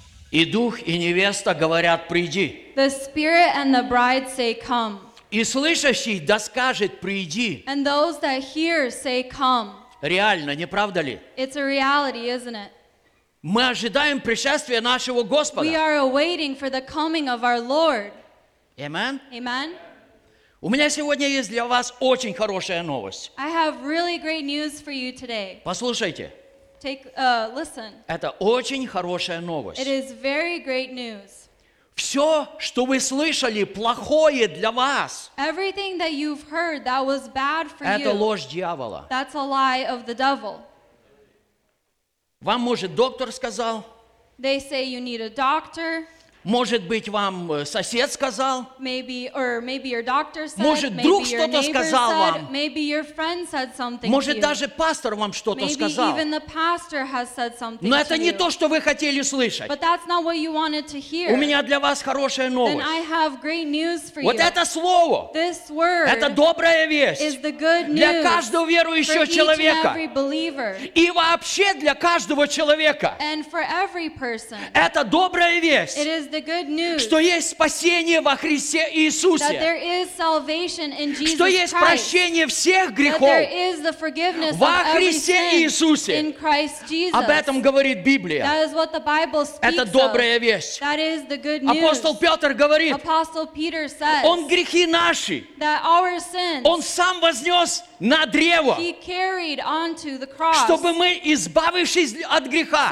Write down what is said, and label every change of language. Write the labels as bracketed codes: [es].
[ru] И дух, и невеста говорят, приди. [en] The spirit and the bride say, come. [ru] И слышащий да скажет, приди. [en] And those that hear say, come. [ru] Реально, не правда ли? [en] It's a reality, isn't it? [ru] Мы ожидаем пришествия нашего Господа. [en] We are awaiting for the coming of our Lord. Amen. Amen. [ru] У меня сегодня есть для вас очень хорошая новость. [en] I have really great news for you today. [ru] Послушайте. [en] Listen. [ru] Это очень хорошая новость. [en] It is very great news. [ru] Все, что вы слышали, плохое для вас. [en] Everything that you've heard that was bad for [ru] это [en] you. [ru] Это ложь дьявола. [en] That's a lie of the devil. [ru] Вам, может, доктор сказал? [en] They say you need a doctor. [ru] Может быть, вам сосед сказал? [en] Maybe, or maybe your doctor said. [ru] Может, друг что-то сказал вам? [en] Maybe your friend said something. [ru] Может, даже пастор вам что-то сказал? [en] Maybe even the pastor has said something. [ru] Но это не то, что вы хотели слышать. [en] But that's not what you wanted to hear. [ru] У меня для вас хорошая новость. [en] Then I have great news for you. [ru] Вот это слово. [en] This word. [ru] Это добрая весть. [en] Is the good news [ru] для каждого верующего человека. [en] For each and every believer. [ru] И вообще для каждого человека. [en] And for every person. [ru] Это добрая весть. [en] It is the good news, [ru] что есть спасение во Христе Иисусе, [en] that there is salvation in Jesus [ru] что есть [en] Christ, [ru] прощение всех грехов [en] that there is the forgiveness [ru] во Христе Иисусе. [en] In Christ Jesus. [ru] Об этом говорит Библия. [en] That is what the Bible speaks [ru] это добрая весть. [en] Of. That is the good news. [ru] Апостол Петр говорит, [en] Apostle Peter says, [ru] он грехи наши, [en] that our sins, [ru] он сам вознес на древо, [en] he carried onto the cross, [ru] чтобы мы, избавившись от греха,